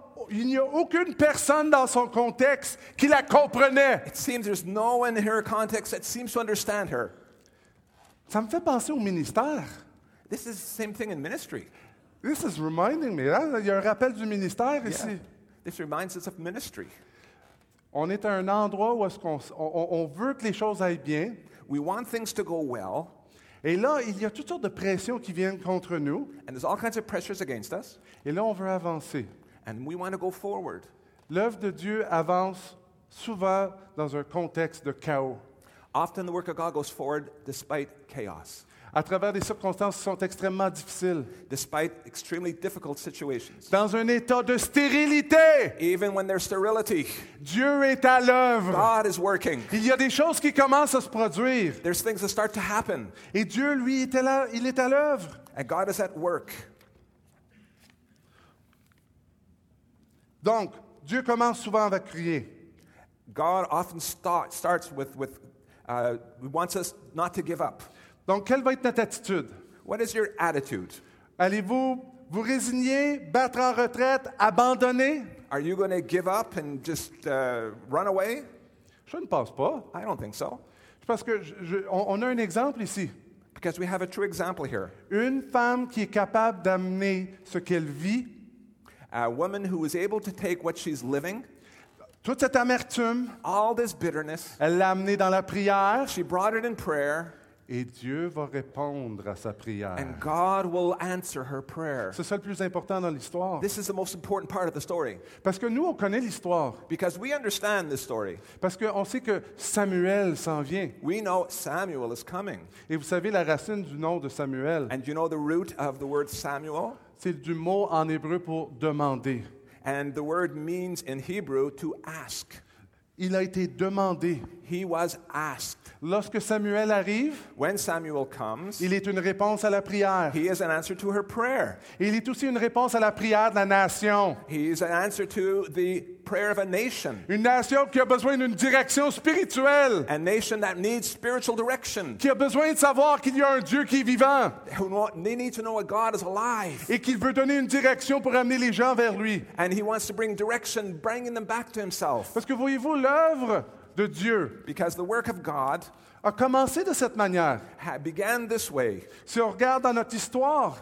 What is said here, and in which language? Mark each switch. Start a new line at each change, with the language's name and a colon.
French: Il n'y a aucune personne dans son contexte qui la comprenait.
English: It seems there's no one in her context that seems to understand her.
French: Ça me fait penser au ministère.
English: This is the same thing in ministry. This is reminding me. Hein?
French: Il y a un rappel du ministère ici.
English: Yeah. This reminds us of ministry.
French: On est à un endroit où est-ce qu'on veut que les choses aillent bien.
English: We want things to go well.
French: Et là, il y a toutes sortes de pressions qui viennent contre nous.
English: And there's all kinds of pressures against us.
French: Et là, on veut avancer.
English: And we want to go forward.
French: L'œuvre de Dieu avance souvent dans un contexte de chaos.
English: Often the work of God goes forward despite chaos.
French: À travers des circonstances qui sont extrêmement difficiles.
English: Despite extremely difficult situations.
French: Dans un état de stérilité.
English: Even when there's sterility.
French: Dieu est à l'œuvre.
English: God is working.
French: Il y a des choses qui commencent à se produire.
English: There's things that start to happen.
French: Et Dieu, lui, était là, il est à l'œuvre.
English: And God is at work.
French: Donc, Dieu commence souvent avec crier.
English: God often starts with wants us not to give up.
French: Donc, quelle va être notre attitude?
English: What is your attitude?
French: Allez-vous vous résigner, battre en retraite, abandonner?
English: Are you going to give up and just run away?
French: Je ne pense pas.
English: I don't think so.
French: Parce que on a un exemple ici.
English: Because we have a true example here.
French: Une femme qui est capable d'amener ce qu'elle vit.
English: A woman who is able to take what she's living.
French: Toute cette amertume.
English: All this bitterness.
French: Elle l'a amenée dans la prière.
English: She brought it in prayer.
French: Et Dieu va répondre à sa prière.
English: And God will answer her prayer.
French: C'est ça le plus important dans l'histoire.
English: This is the most important part of the story.
French: Parce que nous, on connaît l'histoire.
English: Because we understand this story.
French: Parce qu'on sait que Samuel s'en vient.
English: We know Samuel is coming.
French: Et vous savez la racine du nom de Samuel.
English: And you know the root of the word Samuel?
French: C'est du mot en hébreu pour demander.
English: And the word means in Hebrew to ask.
French: Il a été demandé.
English: He was asked.
French: Lorsque Samuel arrive,
English: when Samuel comes,
French: il est une réponse à la prière.
English: He is an answer to her prayer.
French: Il est aussi une réponse à la prière de la nation.
English: He is an answer to the prayer of a nation.
French: Une nation qui a besoin d'une direction spirituelle.
English: A nation that needs spiritual direction.
French: Qui a besoin de savoir qu'il y a un Dieu qui est vivant.
English: They need to know a God is alive.
French: Et qu'il veut donner une direction pour amener les gens vers lui.
English: And he wants to bring direction, bringing them back to himself.
French: Parce que voyez-vous, l'œuvre de Dieu
English: because the work of God
French: a commencé de cette manière.
English: Began this way.
French: Si on regarde dans notre histoire,